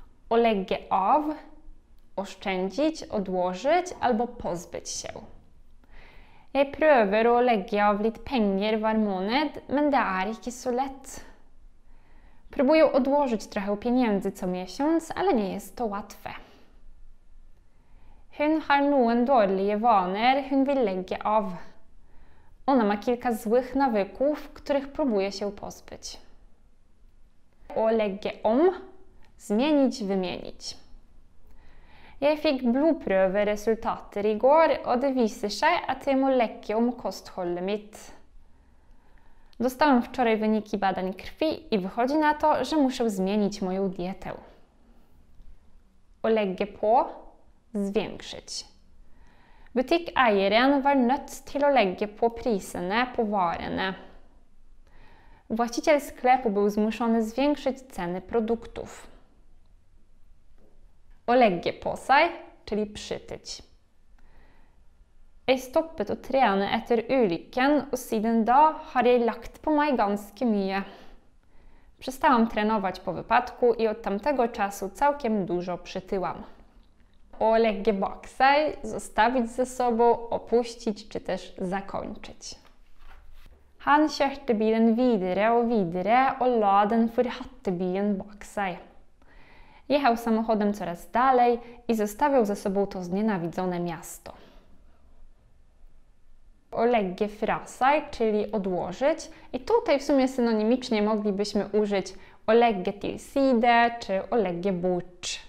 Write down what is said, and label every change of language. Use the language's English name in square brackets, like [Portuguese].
[Polish] Olegge av, oszczędzić, odłożyć albo pozbyć się. [Norwegian] Jeg prøver å legge av litt penger hver måned, men det ikke så lett. [Polish] Próbuję odłożyć trochę pieniędzy co miesiąc, ale nie jest to łatwe. [Norwegian] Hun har noen dårlige vaner, hun vil legge av. [Polish] Ona ma kilka złych nawyków, których próbuje się pozbyć. O legge om, zmienić, wymienić. [Norwegian] Jeg fikk blodprøveresultater i går, og det viser seg at jeg må legge om kostholdet mitt. [Polish] Dostałem wczoraj wyniki badań krwi i wychodzi na to, że muszę zmienić moją dietę. O legge på, zwiększyć. [Norwegian] Butikeieren var nødt til å legge på prisene på varene. [Polish] Właściciel sklepu był zmuszony zwiększyć ceny produktów. Å legge på seg, czyli przytyć. [Norwegian] Jeg stoppet å trene etter ulykken, og siden da har jeg lagt på meg ganske mye. [Polish] Przestałam trenować po wypadku i od tamtego czasu całkiem dużo przytyłam. O legge bak seg, zostawić ze sobą, opuścić czy też zakończyć. [Norwegian] Han kjørte bilen videre og videre og la den forhatte bilen bak seg. [Polish] Jechał samochodem coraz dalej i zostawiał ze sobą to znienawidzone miasto. O legge fra seg, czyli odłożyć. I tutaj w sumie synonimicznie moglibyśmy użyć o legge til side czy o legge bort.